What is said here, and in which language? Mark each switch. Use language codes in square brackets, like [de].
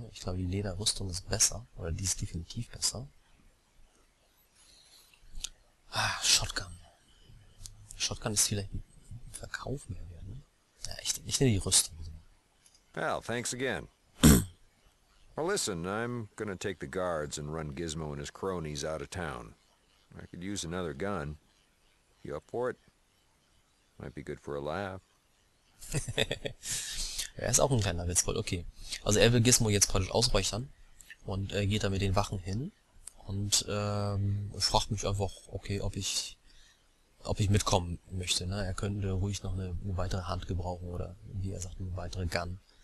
[de] Ich glaube, die Lederrüstung ist besser. Oder die ist definitiv besser. Ah, Shotgun. Shotgun ist vielleicht ein Verkauf mehr wert. Ja, ich nehme die Rüstung. [en] Pal, thanks again. Well, listen, I'm gonna take the guards and run Gizmo and his cronies out of town. I could use another gun. You up for it? Might be good for a laugh. [de] Er ist auch ein kleiner Witzbold, okay. Also er will Gizmo jetzt praktisch ausräuchern und geht dann mit den Wachen hin und fragt mich einfach, okay, ob ich mitkommen möchte. Ne? Er könnte ruhig noch eine weitere Hand gebrauchen oder, wie er sagt, eine weitere Gun.